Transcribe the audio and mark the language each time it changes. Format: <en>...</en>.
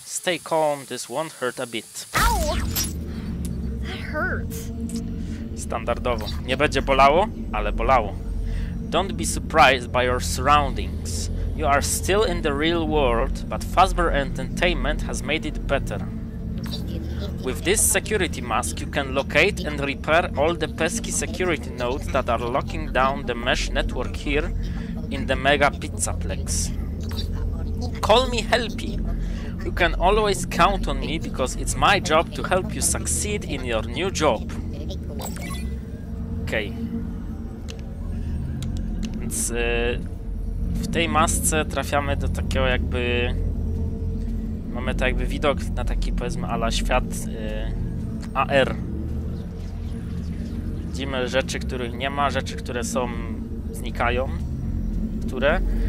<en>Stay calm, this won't hurt a bit. Ow! That hurts.</en> <pl>Standardowo. Nie będzie bolało, ale bolało.</pl> <en>Don't be surprised by your surroundings. You are still in the real world, but Fazbear Entertainment has made it better. With this security mask, you can locate and repair all the pesky security nodes that are locking down the mesh network here in the Mega Pizzaplex. Call me Helpy. You can always count on me because it's my job to help you succeed in your new job.</en> <pl>Okej. Więc w tej masce trafiamy do takiego jakby... Mamy to jakby widok na taki, powiedzmy, ala świat AR. Widzimy rzeczy, których nie ma, rzeczy, które są, znikają. Które?</pl>